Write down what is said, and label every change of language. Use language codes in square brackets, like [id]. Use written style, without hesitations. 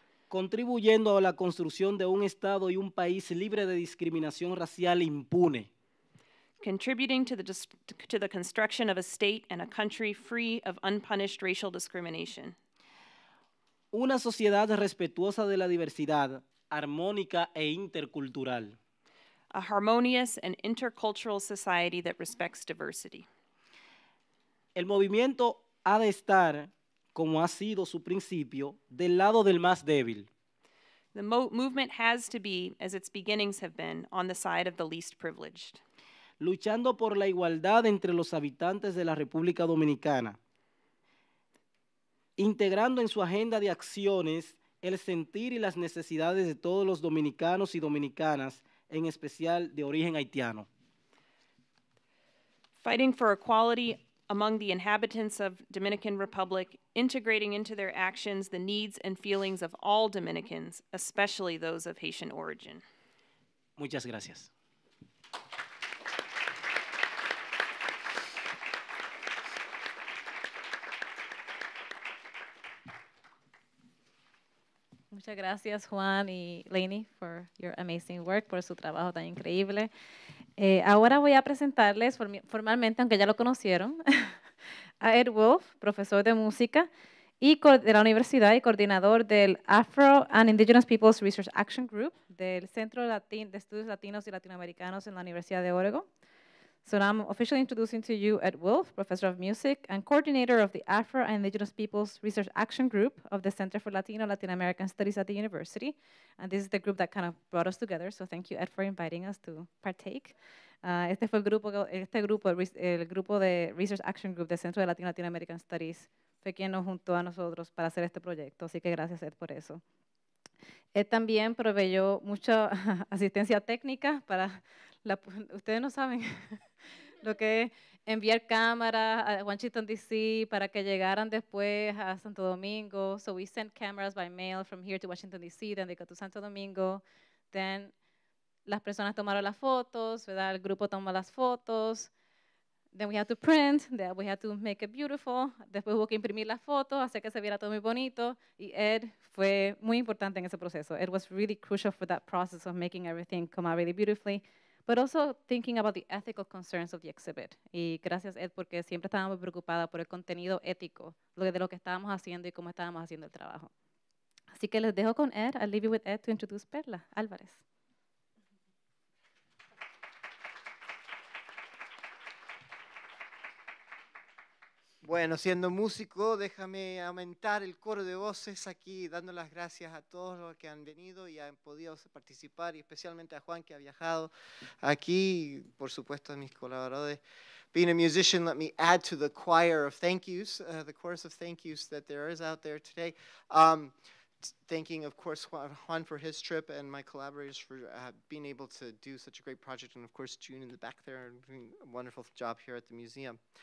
[es] Contribuyendo a la construcción de un Estado y un país libre de discriminación racial impune. [en] Contributing to the construction of a state and a country free of unpunished racial discrimination. [es] Una sociedad respetuosa de la diversidad, armónica e intercultural. [en] A harmonious and intercultural society that respects diversity. [es] El movimiento ha de estar, como ha sido su principio, del lado del más débil. [en] The movement has to be, as its beginnings have been, on the side of the least privileged. [es] Luchando por la igualdad entre los habitantes de la República Dominicana. Integrando en su agenda de acciones el sentir y las necesidades de todos los dominicanos y dominicanas, en especial de origen haitiano. [en] Fighting for equality among the inhabitants of Dominican Republic, integrating into their actions the needs and feelings of all Dominicans, especially those of Haitian origin. [es] Muchas gracias. Muchas gracias, Juan y Lanie, [en] for your amazing work, [es] por su trabajo tan increíble. Ahora voy a presentarles formalmente, aunque ya lo conocieron, a Ed Wolf, profesor de música y de la universidad y coordinador del Afro and Indigenous Peoples Research Action Group del Centro de Estudios Latinos y Latinoamericanos en la Universidad de Oregon. [en] So now I'm officially introducing to you Ed Wolf, professor of music and coordinator of the Afro and Indigenous Peoples Research Action Group of the Center for Latino Latin American Studies at the University. And this is the group that kind of brought us together. So thank you, Ed, for inviting us to partake. [es] Este fue el grupo de Research Action Group del Centro de Latino Latin American Studies fue quien nos juntó a nosotros para hacer este proyecto. Así que gracias, Ed, por eso. Ed también proveyó mucha asistencia técnica para ustedes no saben lo que es enviar cámaras a Washington DC para que llegaran después a Santo Domingo. [en] So we sent cameras by mail from here to Washington DC, then they got to Santo Domingo. Then [es] las personas tomaron las fotos, ¿verdad? El grupo tomó las fotos. [en] Then we had to print, then we had to make it beautiful. [es] Después hubo que imprimir las fotos, hacer que se viera todo muy bonito. Y Ed fue muy importante en ese proceso. [en] Ed was really crucial for that process of making everything come out really beautifully. But also thinking about the ethical concerns of the exhibit. [es] Y gracias, Ed, porque siempre estábamos preocupadas por el contenido ético de lo que estábamos haciendo y cómo estábamos haciendo el trabajo. Así que les dejo con Ed. [en] I'll leave you with Ed to introduce Perla Álvarez. [es] Bueno, siendo músico, déjame aumentar el coro de voces aquí, dando las gracias a todos los que han venido y han podido participar, y especialmente a Juan, que ha viajado aquí, por supuesto, a mis colaboradores. [en] Being a musician, let me add to the choir of thank yous, the chorus of thank yous that there is out there today. Thanking, of course, Juan for his trip and my collaborators for being able to do such a great project. And, of course, June in the back there doing a wonderful job here at the museum.